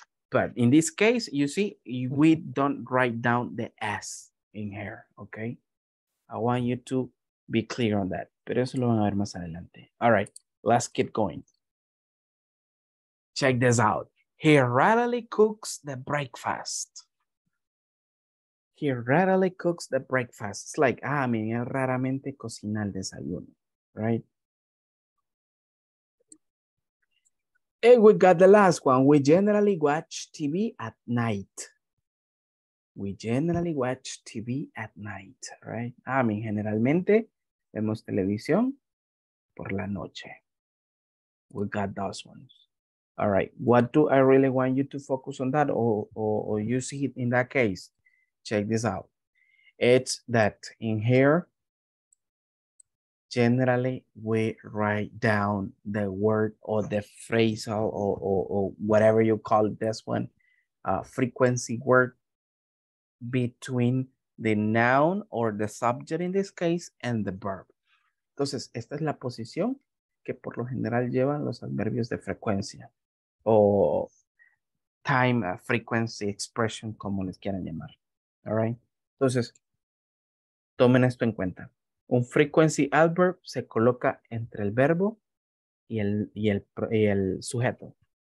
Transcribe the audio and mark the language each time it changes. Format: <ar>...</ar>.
<en>But in this case, you see, we don't write down the S in here. Okay? I want you to be clear on that.</en> <es>Pero eso lo van a ver más adelante.</es> <en>All right. Let's keep going. Check this out. He rarely cooks the breakfast. He rarely cooks the breakfast. It's like,</en> <es>ah, mi, él raramente cocina el desayuno, right?</es> <en>And we got the last one. We generally watch TV at night. We generally watch TV at night, right?</en> <es>Ah, mi, generalmente vemos televisión por la noche.</es> <en>We got those ones. All right. What do I really want you to focus on that or you see it in that case? Check this out. It's that in here, generally we write down the word or the phrasal or whatever you call it, this one, frequency word between the noun or the subject in this case and the verb.</en> <es>Entonces, esta es la posición que por lo general llevan los adverbios de frecuencia o</es> <en>time frequency expression,</en> <es>como les quieran llamar.</es> <en>All right.</en> <es>Entonces, tomen esto en cuenta. Un frequency adverb se coloca entre el verbo y el sujeto.</es>